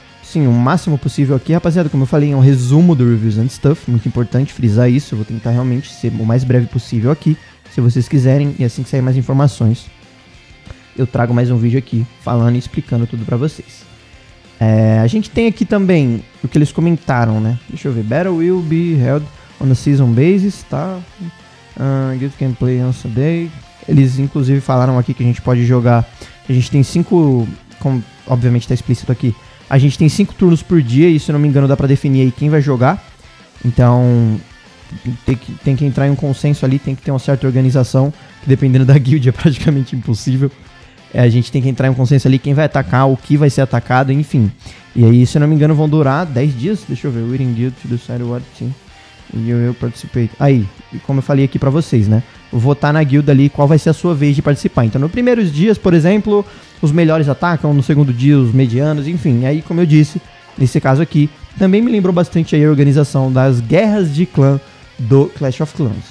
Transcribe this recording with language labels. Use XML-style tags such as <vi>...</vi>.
<pt>Sim, o máximo possível aqui, rapaziada, como eu falei, é um resumo do Reviews and Stuff, muito importante frisar isso, eu vou tentar realmente ser o mais breve possível aqui, se vocês quiserem, e assim que sair mais informações, eu trago mais um vídeo aqui, falando e explicando tudo pra vocês. A gente tem aqui também o que eles comentaram, né? Deixa eu ver.</pt> <en>Battle will be held on a season basis, tá? Guild can play on Sunday.</en> <pt>Eles, inclusive, falaram aqui que a gente pode jogar... A gente tem cinco... Como, obviamente, tá explícito aqui. A gente tem cinco turnos por dia e, se não me engano, dá pra definir aí quem vai jogar. Então, tem que entrar em um consenso ali, tem que ter uma certa organização, que dependendo da guild é praticamente impossível. A gente tem que entrar em um consenso ali, quem vai atacar, o que vai ser atacado, enfim. E aí, se eu não me engano, vão durar 10 dias. Deixa eu ver.</pt> <en>Waiting due to decide what team you participate.</en> <pt>Aí, como eu falei aqui pra vocês, né? Votar na guilda ali, qual vai ser a sua vez de participar. Então, nos primeiros dias, por exemplo, os melhores atacam. No segundo dia, os medianos, enfim. Aí, como eu disse, nesse caso aqui, também me lembrou bastante aí a organização das guerras de clã do Clash of Clans.</pt>